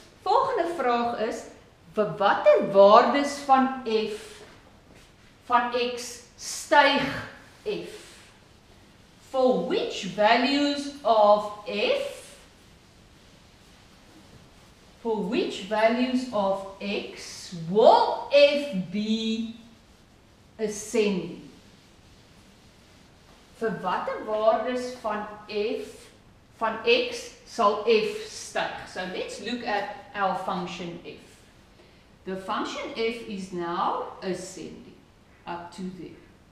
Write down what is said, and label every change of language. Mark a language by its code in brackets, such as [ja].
[af] Volgende vraag is, vir watter waardes van f, van x, styg f? [en] For which values of f, for which values of x will f be ascending? [af] Vir watter waardes van f, van x sal f styg? [en] So let's look at our function f. The function f is now ascending up to there.